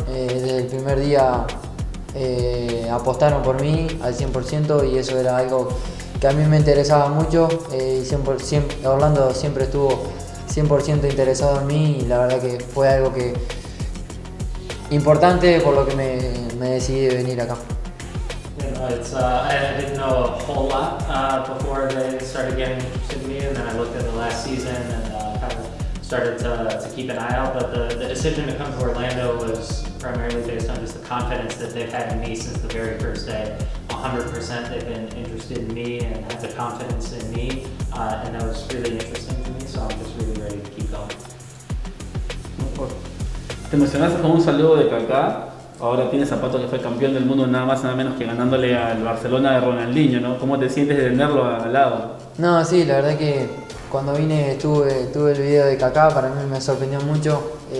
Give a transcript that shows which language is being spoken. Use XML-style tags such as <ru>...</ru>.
<es>Desde el primer día apostaron por mí al 100% y eso era algo que a mí me interesaba mucho. Orlando siempre estuvo 100% interesado en mí y la verdad que fue algo que importante por lo que me decidí de venir acá.</es> <en>I didn't know a whole lot before they started getting interested in me, and then I looked at the last season and kind of started to keep an eye out. But the decision to come to Orlando was primarily based on just the confidence that they've had in me since the very first day. 100% they've been interested in me and had the confidence in me, and that was really interesting to me, so I'm just really ready to keep going.</en> <es>Te mencionaste con un saludo de Kaká. Ahora tienes Zapato, que fue campeón del mundo nada más nada menos que ganándole al Barcelona de Ronaldinho, ¿no? ¿Cómo te sientes de tenerlo al lado? No, sí, la verdad que cuando vine tuve el video de Kaká, para mí me sorprendió mucho.</es>